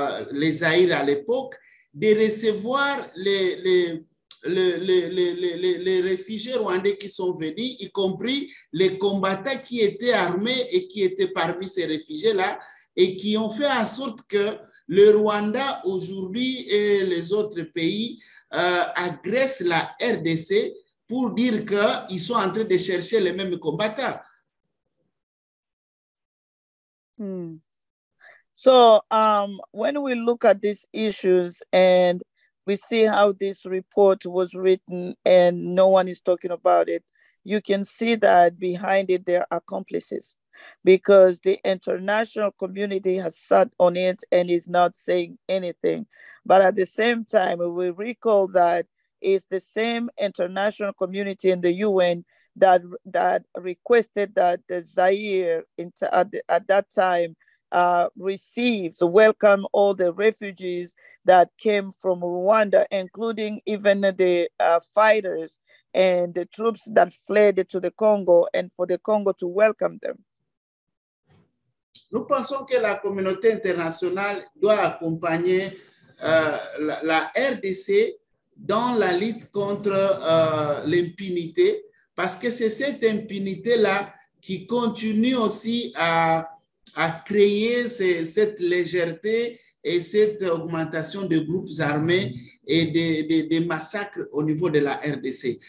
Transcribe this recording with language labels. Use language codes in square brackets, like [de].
[fr] les Zaïre à l'époque, de recevoir les réfugiés rwandais qui sont venus, y compris les combattants qui étaient armés et qui étaient parmi ces réfugiés-là, et qui ont fait en sorte que le Rwanda aujourd'hui et les autres pays agressent la RDC pour dire qu'ils sont en train de chercher les mêmes combattants. [en] So when we look at these issues and we see how this report was written and no one is talking about it, you can see that behind it there are accomplices, because the international community has sat on it and is not saying anything. But at the same time, we recall that it's the same international community in the UN that requested that the Zaire at that time receives, welcome all the refugees that came from Rwanda, including even the fighters and the troops that fled to the Congo, and for the Congo to welcome them. [fr] Nous pensons que la communauté internationale doit accompagner la RDC dans la lutte contre l'impunité, parce que c'est cette impunité-là qui continue aussi à créer cette légèreté et cette augmentation de groupes armés et des massacres au niveau de la RDC.